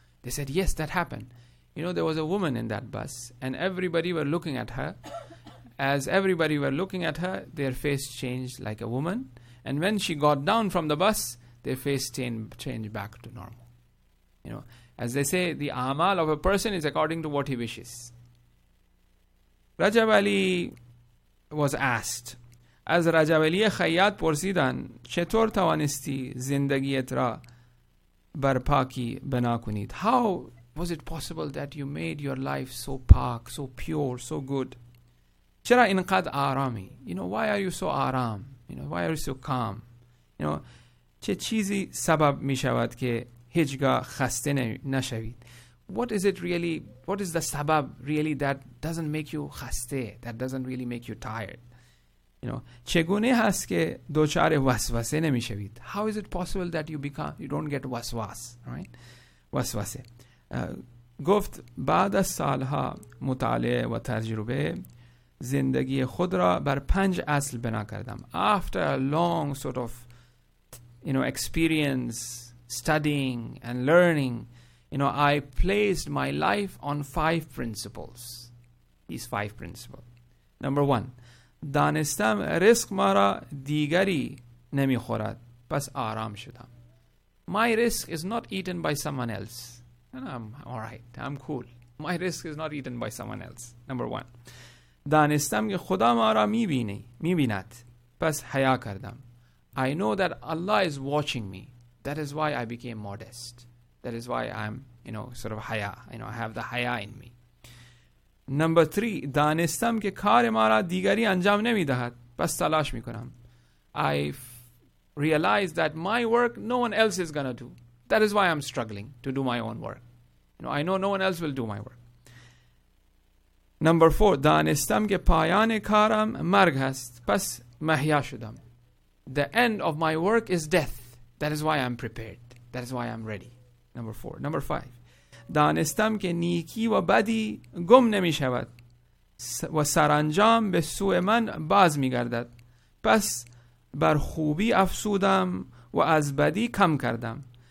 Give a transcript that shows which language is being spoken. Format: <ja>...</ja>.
<en>They said, yes, that happened. You know, there was a woman in that bus and everybody were looking at her. As everybody were looking at her, their face changed like a woman. And when she got down from the bus, their face changed back to normal. You know, as they say, the amal of a person is according to what he wishes. Rajab Ali was asked,</en> <fa>از رجب علی خیاط پرسیدن چطور توانستی زندگیت را برپاکی بنا کنید.</fa> <en>How was it possible that you made your life so pak, so pure, so good?</en> <fa>چرا اینقدر آرامی؟</fa> <en>You know, why are you so آرام? You know, why are you so calm? You know,</en> <fa>چه چیزی سبب می شود که هیچگاه خسته نشوید؟</fa> <en>What is the sabab really that doesn't make you خسته, that doesn't really make you tired? You know,</en> <fa>چگونه هست که دچار وسوسه نمیشوید.</fa> <en>How is it possible that you don't get waswas, right?</en> <fa>وسوسه. گفت بعد از سالها مطالعه و تجربه زندگی خود را بر پنج اصل بنا کردم.</fa> <en>After a long sort of, you know, experience, studying and learning, you know, I placed my life on five principles. These five principles. Number one.</en> <fa>دانستم رزق ما را دیگری نمی خورد پس آرام شدم.</fa> <en>My risk is not eaten by someone else. And I'm all right. I'm cool. My risk is not eaten by someone else. Number one.</en> <fa>دانستم که خدا ما را می بیند پس حیا کردم.</fa> <en>I know that Allah is watching me. That is why I became modest. That is why I'm, you know, sort of haya. You know, I have the haya in me. Number three,</en> <fa>دانستم که کار ما را دیگری انجام نمی دهد. بس تلاش می کنم.</fa> <en>I realized that my work, no one else is going to do. That is why I'm struggling to do my own work. You know, I know no one else will do my work. Number four,</en> <fa>دانستم که پایان کارم مرگ هست. بس محیا شدم.</fa> <en>The end of my work is death. That is why I'm prepared. That is why I'm ready. Number four. Number five.</en> <fa>دانستم که نیکی و بدی گم نمی شود و سرانجام به سوی من باز می گردد. پس بر خوبی افسودم و از بدی کم کردم.</fa>